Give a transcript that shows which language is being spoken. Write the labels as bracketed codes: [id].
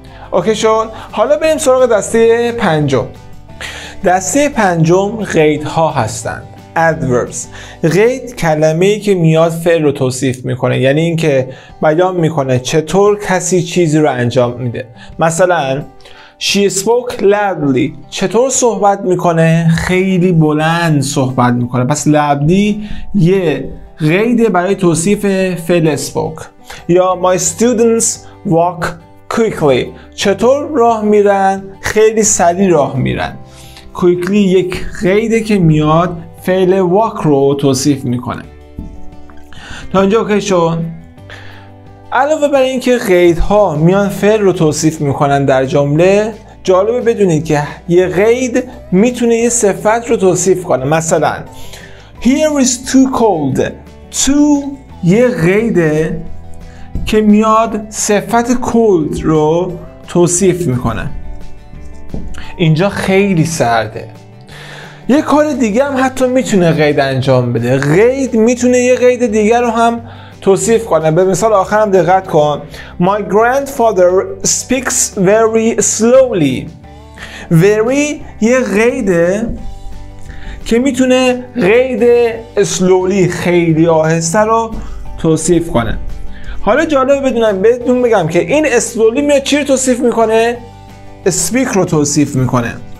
[fa] اوکی شد؟ حالا بریم سراغ دسته پنجم. دسته پنجم قیدها هستند. adverbs. قید کلمه‌ای که میاد فعل رو توصیف میکنه، یعنی اینکه بیان میکنه چطور کسی چیزی رو انجام میده. مثلا [en] she spoke loudly. [fa] چطور صحبت میکنه؟ خیلی بلند صحبت میکنه. پس loudly یه قید برای توصیف فعل spoke. یا [en] my students walk quickly. [fa] چطور راه میرن؟ خیلی سریع راه میرن. quickly یک قیده که میاد فعل walk رو توصیف میکنه. تا اینجا اوکی شد؟ علاوه بر این که قیدها میان فعل رو توصیف میکنن در جمله، جالبه بدونید که یه قید میتونه یه صفت رو توصیف کنه. مثلا [en] here is too cold. [fa] too یه قیده که میاد صفت cold رو توصیف میکنه. اینجا خیلی سرده. یه کار دیگه هم حتی میتونه قید انجام بده. قید میتونه یه قید دیگر رو هم توصیف کنه. به مثال آخرم دقت کن. [en] My grandfather speaks very slowly. [fa] very یه قیده که میتونه قید slowly خیلی آهسته رو توصیف کنه. حالا جالبه بدونم بهتون بگم که این slowly میاد چی رو توصیف میکنه؟ speak رو توصیف میکنه.